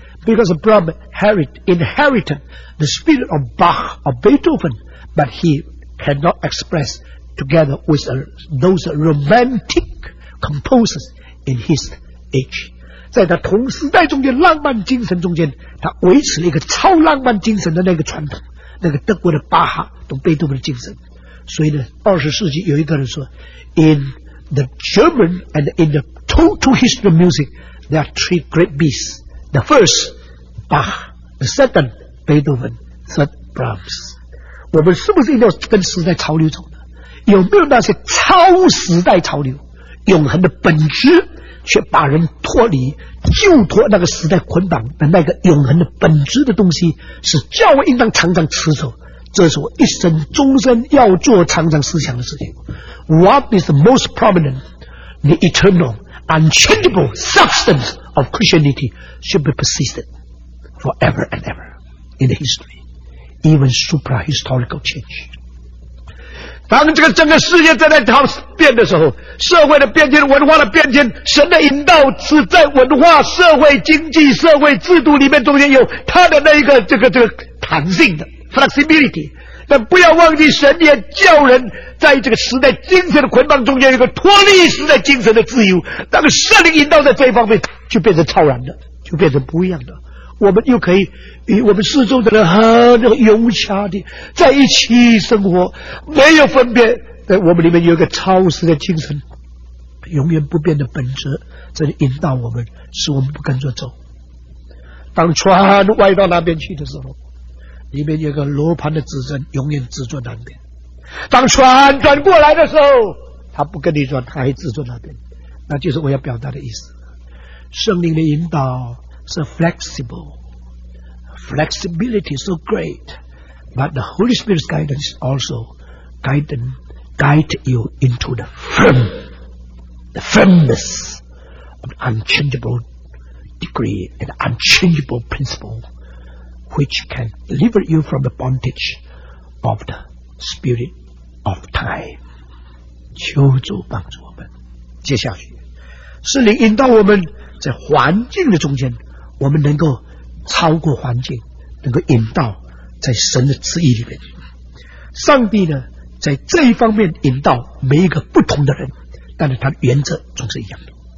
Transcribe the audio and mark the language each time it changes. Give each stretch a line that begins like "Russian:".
English: Because Brahm inherited the spirit of Bach or Beethoven， but he cannot express together with those romantic composers in his age。
Chinese: 在他同时代中间浪漫精神中间，他维持了一个超浪漫精神的那个传统，那个德国的巴哈和贝多芬的精神。所以呢，二十世纪有一个人说
English: In the German and in the total history of music there are three great beasts， the first Bach， the second Beethoven， third Brahms。
Chinese: 我们是不是一定要跟时代潮流走呢？有没有那些超时代潮流永恒的本质，却把人脱离旧脱那个时代捆绑的那个永恒的本质的东西，是教会应当常常持守，这是我一生终身要做常常思想的事情。
English: What is the most prominent the eternal unchangeable substance of Christianity should be persisted forever and ever in the history even supra historical change。
Chinese: 当这个整个世界在那条变的时候，社会的变迁、文化的变迁，神的引导是在文化、社会、经济、社会制度里面中间有他的那一个这个弹性的 flexibility。但不要忘记，神也叫人在这个时代精神的捆绑中间有一个脱离时代精神的自由。当圣灵引导在这一方面，就变成超然的，就变成不一样的。我们又可以与我们四周的人很融洽的在一起生活，没有分别。在我们里面有一个超时的精神，永远不变的本质，这里引导我们，使我们不跟着走。当船歪到那边去的时候，里面有一个罗盘的指针，永远指着南边。当船转过来的时候，他不跟你转，他还指着那边。那就是我要表达的意思。圣灵的引导是
English: flexible， flexibility is so great， but the Holy Spirit's guidance also guide you into the firm， the firmness of unchangeable degree and unchangeable principle， which can deliver you from the bondage of the spirit of time。
Chinese: 求主帮助我们。接下去是你引导我们在环境的中间，我们能够超过环境，能够引导在神的旨意里面。上帝呢，在这一方面引导每一个不同的人，但是他的原则总是一样的。